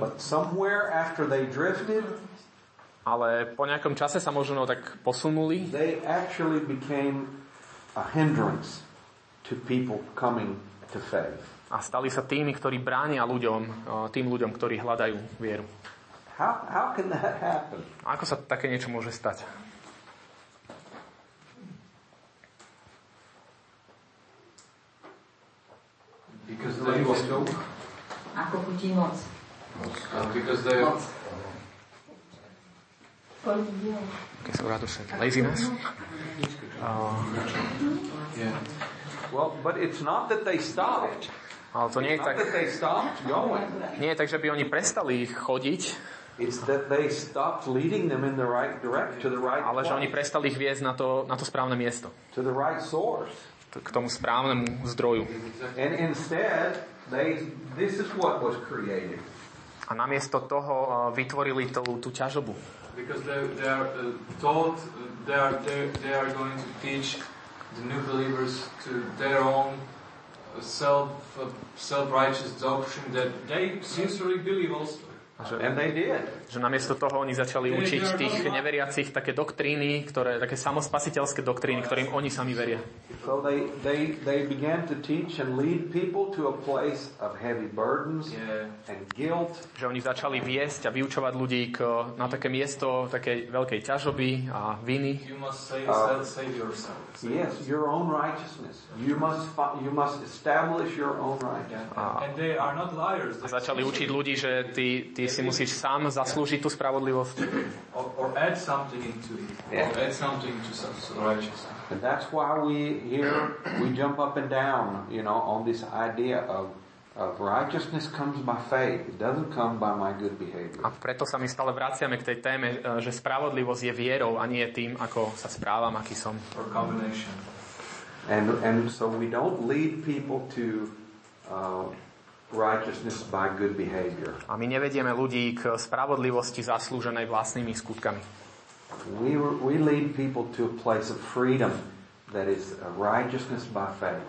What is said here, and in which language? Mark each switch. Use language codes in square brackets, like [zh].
[en] But somewhere after they drifted. [sk] Ale po nejakom čase sa možno tak posunuli. [en] They actually became a hindrance to people coming to faith. [sk] A stali sa tými, ktorí bránia ľuďom, tým ľuďom, ktorí hľadajú vieru. [en] How can that happen? [sk] Ako sa také niečo môže stať? [en] Because they were so. [sk] Ako putí moc. [en] Because they moc. Okay, so rather said laziness. Well, but it's not that they stopped. [sk] Ale to nie je tak. [en] That they stopped going. [sk] Nie je tak, že by oni prestali chodiť. [en] It's that they stopped leading them in the right direction to the right. [sk] Ale že oni prestali ich viesť na to správne miesto. [en] To the right source. [sk] K tomu správnemu zdroju. [en] And instead, this is what was created. [sk] A namiesto toho vytvorili tú ťažobu. [en] Because they are going to teach the new believers to their own self-righteous doctrine that they sincerely believe also. And they did. [sk] Že namiesto toho oni začali učiť tých neveriacich také doktríny, ktoré také samospasiteľské doktríny, ktorým oni sami veria. [en] So they began to teach and lead people to a place of heavy burdens and guilt. [sk] Že oni začali viesť a vyučovať ľudí na také miesto také veľkej ťažoby a viny. [en] You must save yourself. Yes, your own righteousness. You must establish your own righteousness. And they are not liars. [sk] A začali učiť ľudí, že ty si musíš sám zaslúžiť tú spravodlivosť. [en] Or add something into it. Yeah. Or add something to self-righteousness. And that's why we here we jump up and down, you know, on this idea of righteousness comes by faith. It doesn't come by my good behavior. [sk] A preto sa my stále vraciame k tej téme, že spravodlivosť je vierou a nie tým, ako sa správam, aký som. [en] Or combination. And so we don't lead people to righteousness by good behavior. [sk] A my nevedieme ľudí k spravodlivosti zaslúženej vlastnými skutkami. [en] We lead people to a place of freedom that is righteousness by faith.